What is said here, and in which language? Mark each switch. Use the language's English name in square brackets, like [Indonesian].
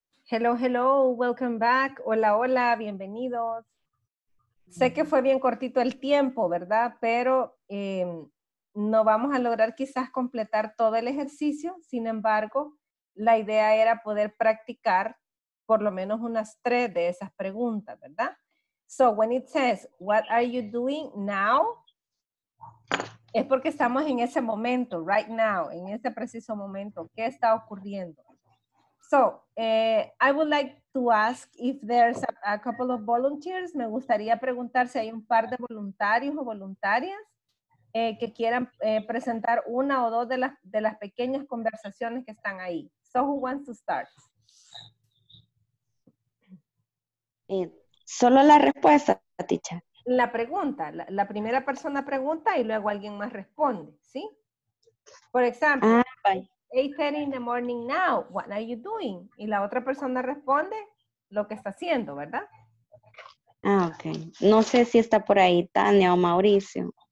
[English] Hello, hello, welcome back. [Spanish] Hola, hola, bienvenidos. Sé que fue bien cortito el tiempo, ¿verdad? Pero no vamos a lograr quizás completar todo el ejercicio. Sin embargo, la idea era poder practicar por lo menos unas tres de esas preguntas, ¿verdad? [English] So, when it says, what are you doing now? [Spanish] Es porque estamos en ese momento, [English] right now, [Spanish] en ese preciso momento. ¿Qué está ocurriendo? [English] So, I would like to ask if there's a couple of volunteers. [Spanish] Me gustaría preguntar si hay un par de voluntarios o voluntarias que quieran presentar una o dos de las pequeñas conversaciones que están ahí. [English] So, who wants to start? [Spanish] Solo la respuesta, teacher. La pregunta. La primera persona pregunta y luego alguien más responde, ¿sí? Por ejemplo, [English] 8:30 in the morning now, what are you doing? [Spanish] Y la otra persona responde lo que está haciendo, ¿verdad? Ah, ok. No sé si está por ahí Tania o Mauricio.